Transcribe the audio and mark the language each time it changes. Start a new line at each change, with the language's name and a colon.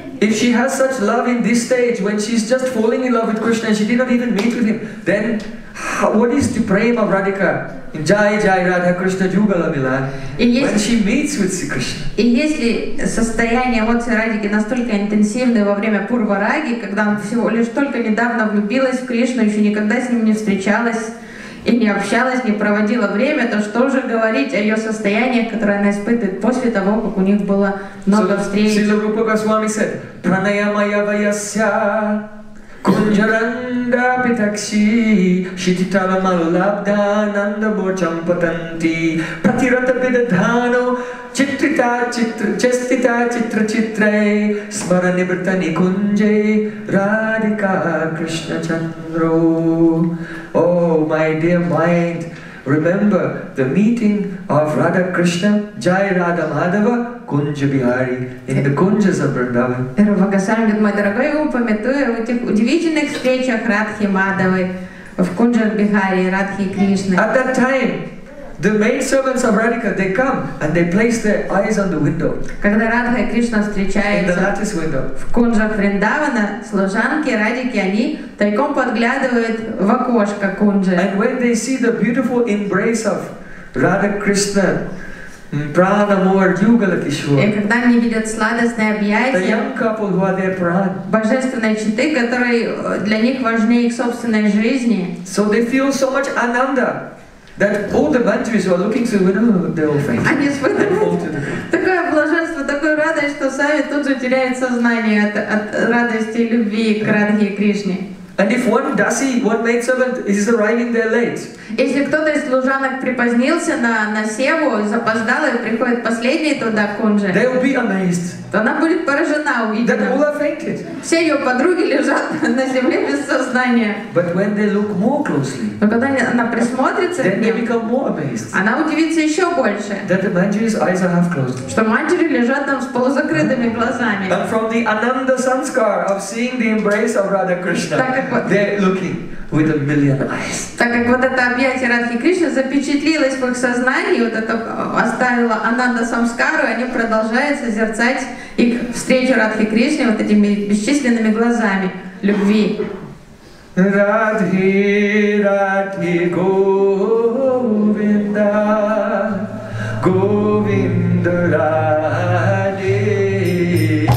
English: If she has such love in this stage, when she's just falling in love with Krishna, and she did not even meet with him, then what is the prema of Radhika?
Sanskrit: Jai Jai Radha Krishna Jugala Mila.
English: When she meets with Sri Krishna.
Russian: И если состояние эмоций Радхики настолько интенсивное во время Пурва Раги, когда она всего лишь только недавно влюбилась в Кришну, еще никогда с ним не встречалась и не общалась, не проводила время, то что же говорить о ее состоянии, которое она испытывает после того, как у них было много встреч.
Sanskrit: Шрила Рупа Госвами said, Pranayamaya Vayasya Kunjaranda Pitakshi Shititala Malabda Nanda Bocham Patanti Pratirata Vidadhano Chitrita Chitra Chastita Chitra Chitrai Smaranibhrtani Kunjai Radhika Krishna Chandra.
English: Oh, my dear mind, remember the meeting of Radha Krishna, Jai Radha Madhava, Kunja Bihari, in the Kunjas of Vrindavan.
Russian: Rupa Goswami говорит, мой дорогой, упомятую о тех удивительных встречах Радхи Мадхавы в Кунджах Бихари, Радхи Кришны.
English: At that time, the maidservants of Radhika, they come and they place their eyes on the window.
Russian: Когда Радха и Кришна встречаются в кунжах Вриндавана, служанки Радхики, они тайком подглядывают в окошко кунжи.
English: And when they see the beautiful embrace of Radha Krishna, Pranamur Yugala Kishwar.
Russian: И когда они видят сладостное объятие,
English: the young couple who are their pran,
Russian: божественной читы, которые для них важнее их собственной жизни.
English: So they feel so much ananda. That all the mantras were looking through the window, they all faint.
Russian: Они испытывают такое блаженство, такую радость, что сами тут же теряют сознание от радости и любви к Радхе и Кришне.
English: And if one dasi, one maidservant, is arriving there late.
Russian: Если кто-то из служанок припозднился на севу, запоздал и приходит последний туда кунжи,
English: they will be amazed.
Russian: То она будет поражена увиденным.
English: That all are fainted.
Russian: Все ее подруги лежат на земле без сознания.
English: But when they look more closely,
Russian: но когда она присмотрится,
English: then they become more amazed.
Russian: Она удивится еще больше.
English: That the manjari's eyes are half closed.
Russian: Что манджари лежат там с полузакрытыми глазами.
English: And from the ananda sanskar of seeing the embrace of Radha Krishna, they're looking with a million eyes.
Russian: Так как вот это объятие Радхи Кришны запечатлилось в их сознании, вот это оставило ананда самскару, они продолжают созерцать их встречу Радхи Кришне вот этими бесчисленными глазами любви.
Sanskrit: Радхи, Радхи, Говинда, Говинда, Радхи.